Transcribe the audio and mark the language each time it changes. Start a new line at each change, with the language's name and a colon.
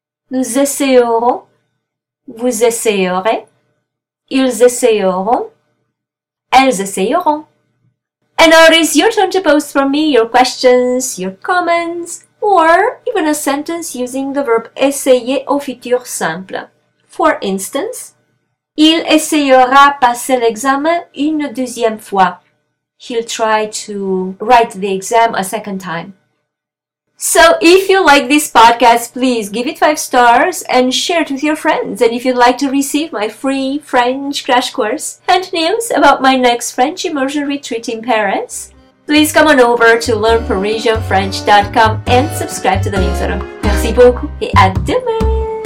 French: Nous essayerons, vous essayerez, ils essayeront, elles essayeront.
English: And now it is your turn to post for me your questions, your comments, or even a sentence using the verb essayer
French: au futur simple.
English: For instance,
French: il essayera passer l'examen une deuxième fois.
English: He'll try to write the exam a second time. So if you like this podcast, please give it 5 stars and share it with your friends. And if you'd like to receive my free French crash course and news about my next French immersion retreat in Paris, please come on over to learnparisianfrench.com and subscribe to the newsletter.
French: Merci beaucoup et à demain!